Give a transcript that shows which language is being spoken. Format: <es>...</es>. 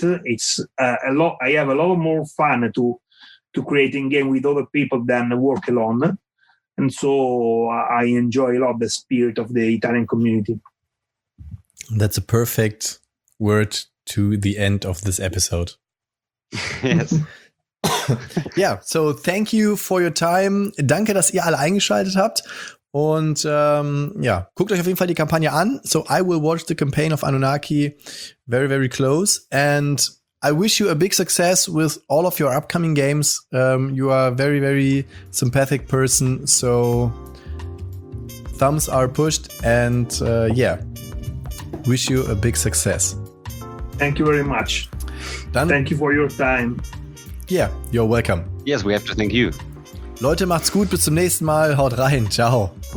<en>It's a lot. I have a lot more fun to creating game with other people than work alone, and so I enjoy a lot the spirit of the Italian community. That's a perfect word to the end of this episode. Yes. Yeah. So thank you for your time.</en> <de>Danke, dass ihr alle eingeschaltet habt. Und ja, guckt euch auf jeden Fall die Kampagne an.</de> <en>So I will watch the campaign of Anunnaki very, very close. And I wish you a big success with all of your upcoming games. You are a very, very sympathetic person. So thumbs are pushed. And yeah, wish you a big success. Thank you very much. Dann, thank you for your time. Yeah, you're welcome. Yes, we have to thank you.</en> <de>Leute, macht's gut. Bis zum nächsten Mal. Haut rein. Ciao.</de>